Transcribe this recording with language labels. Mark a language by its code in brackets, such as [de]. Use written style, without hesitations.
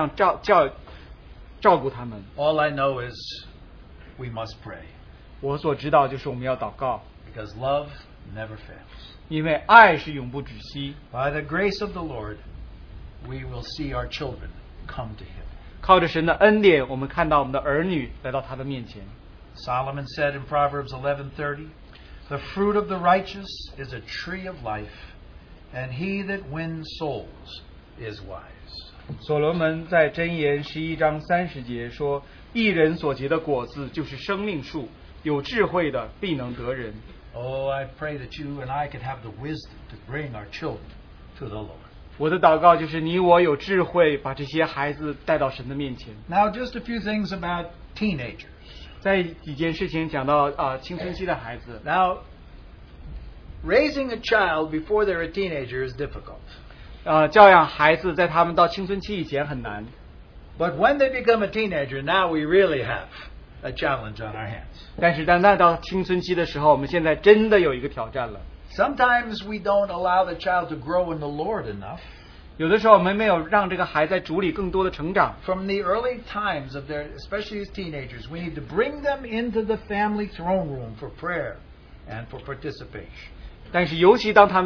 [zh] 但我知道神来预备一个人来这样照顾他们。 [en] All I know is we must pray. [zh] 我所知道就是我们要祷告。 [en] Because love never fails. [zh] 因为爱是永不止息。 [en] By the grace of the Lord, we will see our children come to Him. [zh] 靠着神的恩典, 我们看到我们的儿女来到他的面前。 [en] Solomon said in Proverbs 11:30, "The fruit of the righteous is a tree of life, and he that wins souls is wise." [zh] 所罗门在箴言11章30节说, 一人所结的果子就是生命树, 有智慧的必能得人。 [en] Oh, I pray that you and I could have the wisdom to bring our children to the Lord. [zh] 我的祷告就是你我有智慧把这些孩子带到神的面前。 [en] Now just a few things about teenagers. [zh] 在几件事情讲到青春期的孩子。 [en] Now, raising a child before they're a teenager is difficult. [zh] 教养孩子在他们到青春期以前很难。 [en] But when they become a teenager, now we really have a challenge on our hands. [zh] 但是当到青春期的时候，我们现在真的有一个挑战了。 [en] Sometimes we don't allow the child to grow in the Lord enough. [zh] 有的时候我们没有让这个孩子在主里更多的成长。 [en] From the early times of their, especially as teenagers, we need to bring them into the family throne room for prayer and for participation.